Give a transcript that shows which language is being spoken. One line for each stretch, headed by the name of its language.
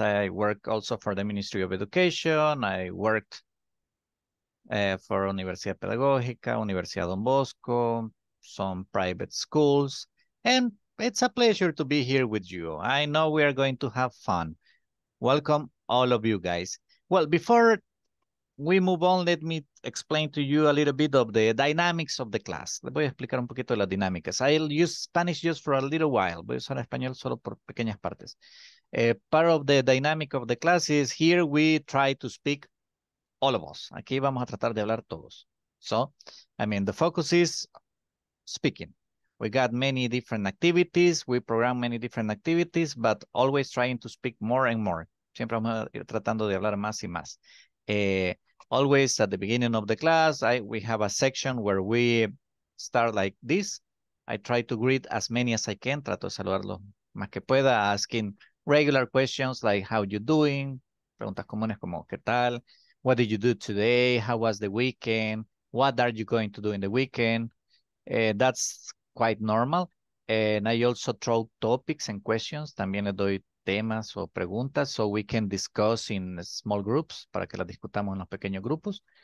English: I work also for the Ministry of Education. I worked for Universidad Pedagógica, Universidad Don Bosco, some private schools. And it's a pleasure to be here with you. I know we are going to have fun. Welcome all of you guys. Well, before we move on, let me explain to you a little bit of the dynamics of the class.
Spanish: Le voy a explicar un poquito las dinámicas.
English: I'll use Spanish just for a little while.
Spanish: Voy a usar español solo por pequeñas partes.
English: Part of the dynamic of the class is here we try to speak all of us.
Spanish: Aquí vamos a tratar de hablar todos.
English: So, I mean, the focus is speaking. We got many different activities. We program many different activities, but always trying to speak more and more.
Spanish: Siempre vamos a ir tratando de hablar más y más.
English: Always at the beginning of the class, we have a section where we start like this. I try to greet as many as I can.
Spanish: Trato de saludarlo más que pueda,
English: asking regular questions like, how you doing?
Spanish: Preguntas comunes como, ¿qué tal?
English: What did you do today? How was the weekend? What are you going to do in the weekend? That's quite normal. And I also throw topics and questions.
Spanish: También le doy temas o preguntas,
English: so we can discuss in small groups,
Spanish: para que las discutamos en los pequeños grupos.